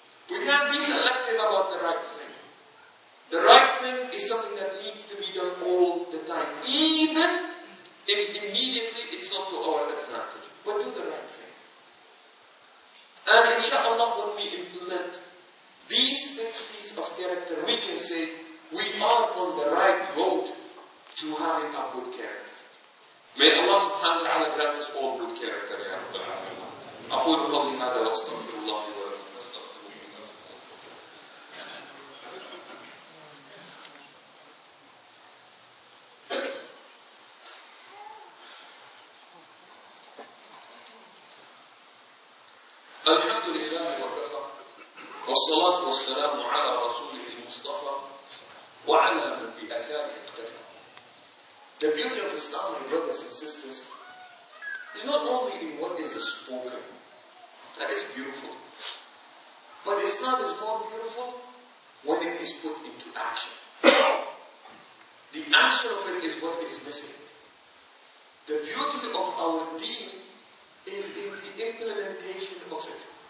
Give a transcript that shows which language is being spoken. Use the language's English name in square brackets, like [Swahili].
[English] We can't be selective about the right thing. The right thing is something that needs to be done all the time, even if immediately it's not to our advantage. But do the right thing. And inshallah, when we implement these six pieces of character, we can say we are on the right road to having a good character. May Allah subhanahu wa ta'ala grant us all good character, ya Rabbi Allah. [Arabic] أقول قولي هذا واستغفر الله لي ولكم واستغفر الله لكم. الحمد لله وكفى والصلاة والسلام على رسوله المصطفى وعلى من بأثاره اقتفى. [English] The beauty of Islam, brothers and sisters, is not only in what is spoken, that is beautiful, but Islam is more beautiful when it is put into action. The action of it is what is missing. The beauty of our deen is in the implementation of it.